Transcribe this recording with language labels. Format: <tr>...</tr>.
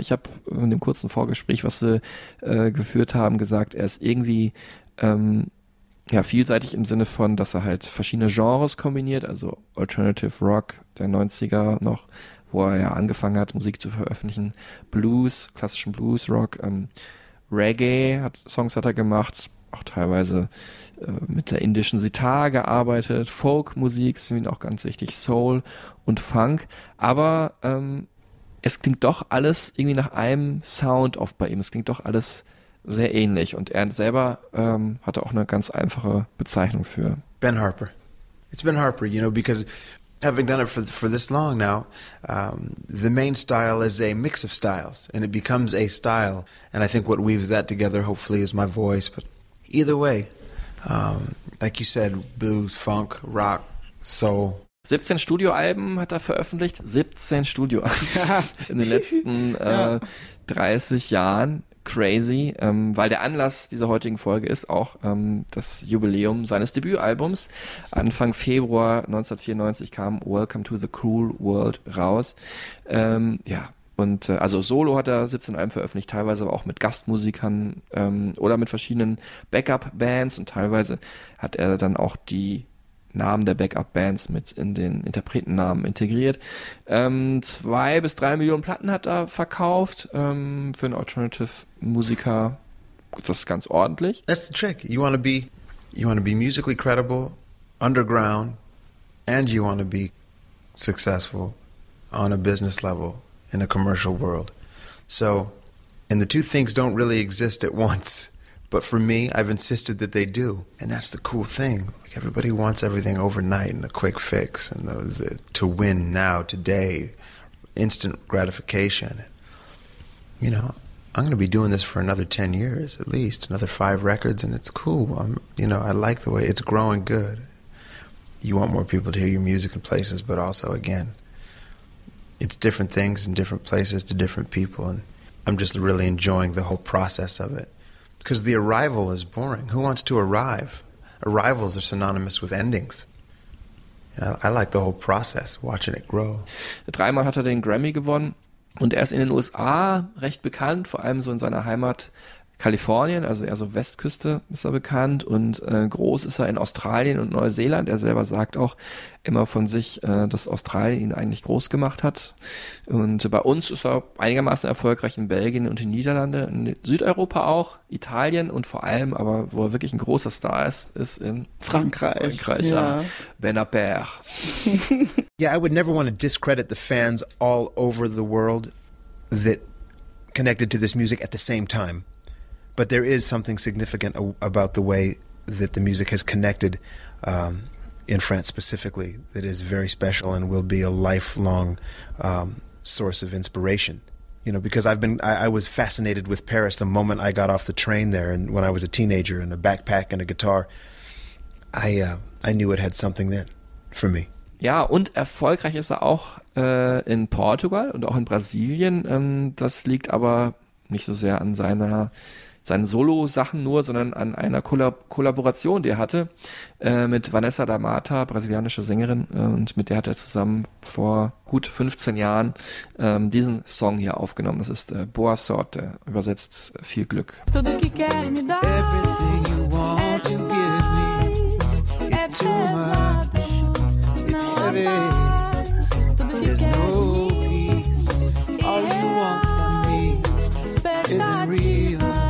<de>Ich habe in dem kurzen Vorgespräch, was wir geführt haben, gesagt, er ist irgendwie vielseitig im Sinne von, dass er halt verschiedene Genres kombiniert, also Alternative Rock der 90er noch, wo er ja angefangen hat, Musik zu veröffentlichen, Blues, klassischen Blues, Rock, Reggae, Songs hat er gemacht, auch teilweise mit der indischen Sitar gearbeitet, Folkmusik ist für ihn auch ganz wichtig, Soul und Funk, aber es klingt doch alles irgendwie nach einem Sound oft bei ihm, es klingt doch alles sehr ähnlich und er selber hatte auch eine ganz einfache Bezeichnung für. Ben Harper.</de> <en>It's Ben Harper, you know, because having done it for this long now, the main style is a mix of styles and it becomes a style and I think what weaves that together hopefully is my voice, but either way, like you said, blues, funk, rock, soul.</en> <de>17 Studioalben hat er veröffentlicht. 17 Studioalben in den letzten 30 Jahren. Crazy, weil der Anlass dieser heutigen Folge ist auch das Jubiläum seines Debütalbums. Anfang Februar 1994 kam Welcome to the Cool World raus. Und also solo hat er 17 Alben veröffentlicht, teilweise aber auch mit Gastmusikern oder mit verschiedenen Backup-Bands und teilweise hat er dann auch die Namen der Backup-Bands mit in den Interpretennamen integriert. 2 bis 3 Millionen Platten hat er verkauft für einen Alternative-Musiker. Das ist ganz ordentlich.</de> <en>That's the trick. You want to be musically credible, underground, and you want to be successful on a business level in a commercial world. So, and the two things don't really exist at once. But for me, I've insisted that they do. And that's the cool thing. Like, everybody wants everything overnight and a quick fix and the to win now, today, instant gratification. You know, I'm going to be doing this for another 10 years at least, another 5 records, and it's cool. I like the way it's growing good. You want more people to hear your music in places, but also, again, it's different things in different places to different people, and I'm just really enjoying the whole process of it. Because the arrival is boring. Who wants to arrive? Arrivals are synonymous with endings. I like the whole process, watching it grow.</en> <de>3-mal hat er den Grammy gewonnen und er ist in den USA recht bekannt, vor allem so in seiner Heimat Kalifornien, also eher so Westküste ist er bekannt und groß ist er in Australien und Neuseeland. Er selber sagt auch immer von sich, dass Australien ihn eigentlich groß gemacht hat. Und bei uns ist er einigermaßen erfolgreich in Belgien und in Niederlande, in Südeuropa auch, Italien und vor allem, aber wo er wirklich ein großer Star ist, ist in Frankreich. Ja. Benabert.</de> <en>Yeah, I would never want to discredit the fans all over the world that connected to this music at the same time. But there is something significant about the way that the music has connected in France specifically that is very special and will be a lifelong source of inspiration. You know, because I was fascinated with Paris the moment I got off the train there, and when I was a teenager and a backpack and a guitar, I knew it had something then for me.</en> <de>Ja, und erfolgreich ist er auch in Portugal und auch in Brasilien. Das liegt aber nicht so sehr an seinen Solo-Sachen nur, sondern an einer Kollaboration, die er hatte mit Vanessa da Mata, brasilianische Sängerin, und mit der hat er zusammen vor gut 15 Jahren diesen Song hier aufgenommen. Das ist Boa Sorte, übersetzt viel Glück.</de> <pt>Tudo que quer me dá,</pt> <en>everything you want to give me, é too much, it's heavy, there's no peace, all you want from me isn't real.</en>